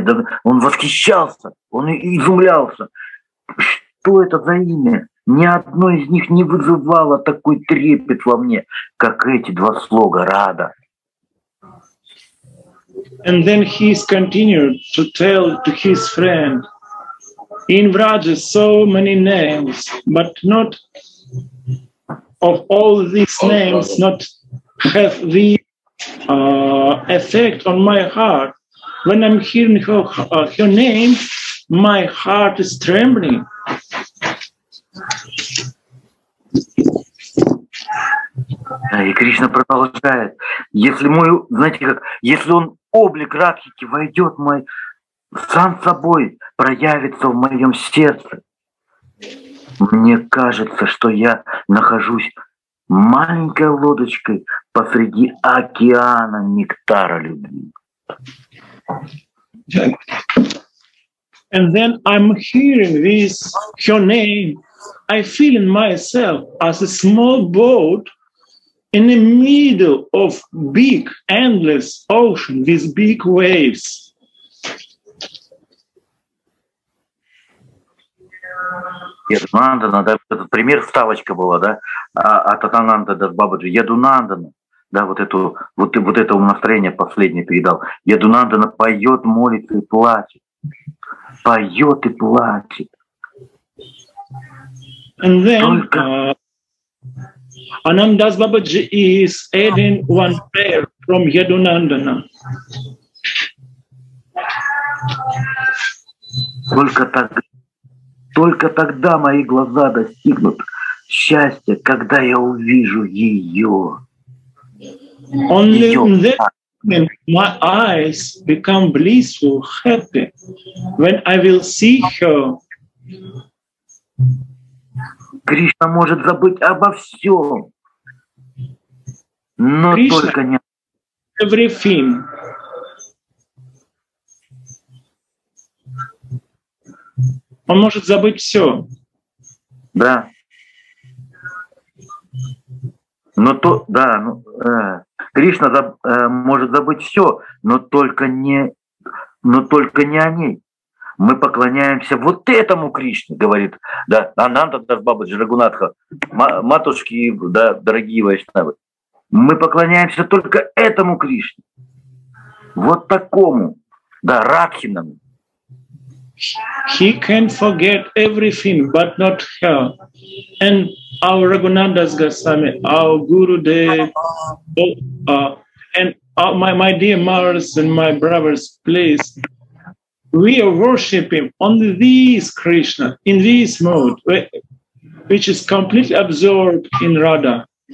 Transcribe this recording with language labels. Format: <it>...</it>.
<ru>Да он восхищался, он изумлялся. Что это за имя? Ни одно из них не вызывало такой трепет во мне, как эти два слога Рада.</ru> <en>And then he continued to tell to his friend. In Vraja, so many names, but not of all these names, not have the effect on my heart. When I'm hearing her name, my heart is trembling.</en> <ru>И Кришна продолжает: если мой, знаете как, если он облик Радхики войдет мой сам собой проявится в моем сердце. Мне кажется, что я нахожусь маленькой лодочкой посреди океана нектара любви.</ru> <en>And then I'm hearing this her name. I feel in myself as a small boat in the middle of big endless ocean with big waves.</en> <ru>Ядунандана, да, этот пример вставочка была, да, от Атананда до Бабаджи. Ядунандана, да, вот это настроение последнее передал. Ядунандана поет, молится и плачет. Поет и плачет.</ru> <en>And then Anandas Babaji is adding one prayer from Ядунандана.</en> <ru>Только так. Только тогда мои глаза достигнут счастья, когда я увижу ее.</ru> <en>Only in that moment my eyes become blissful, happy, when I will see her.</en> <ru>Кришна может забыть обо всем, но</ru> <en>Krishna,</en> <ru>только не</ru> <en>everything.</en> <ru>Он может забыть все. Да. Но то, да, ну, Кришна может забыть все, но только не о ней. Мы поклоняемся вот этому Кришне, говорит, да, Ананда Дас Бабаджи Рагунатха, матушки, да, дорогие вайшнавы. Мы поклоняемся только этому Кришне. Вот такому, да, Радхинаму.</ru> <en>He can forget everything but not her. And our Raghunandas Goswami, our Gurudev, and our, my dear mothers and my brothers, please, we are worshiping only this Krishna in this mode, which is completely absorbed in Radha.</en>